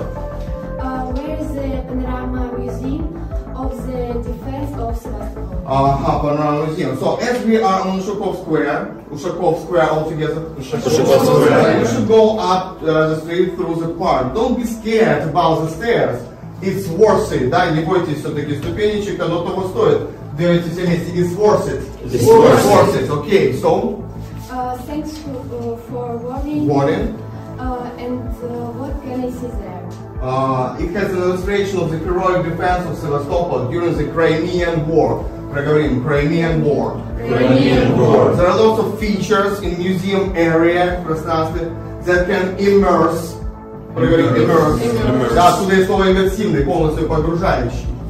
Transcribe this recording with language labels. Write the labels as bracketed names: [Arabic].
[English] Where is the panorama museum of the defense of Sevastopol. Aha, Panorama Museum. So as we are on Ushakov Square, Ushakov Square altogether, Ushakov Square, you should go up the street through the park. Don't be scared about the stairs. It's worth it, [Russian] да? Не бойтесь все-таки ступенечек, оно того стоит. Делайте все вместе. [English] It's worth it. It's worth it. Okay, so? Thanks for warning. Warning. And what can I see there? It has an illustration of the heroic defense of Sevastopol during the Crimean War. [Russian] Проговорим, Crimean War. [English] Crimean War. There are lots of features in museum area, пространстве, that can immerse. [Russian] Проговорим, immerse. Да, отсюда и слово иммерсивный, полностью погружающий.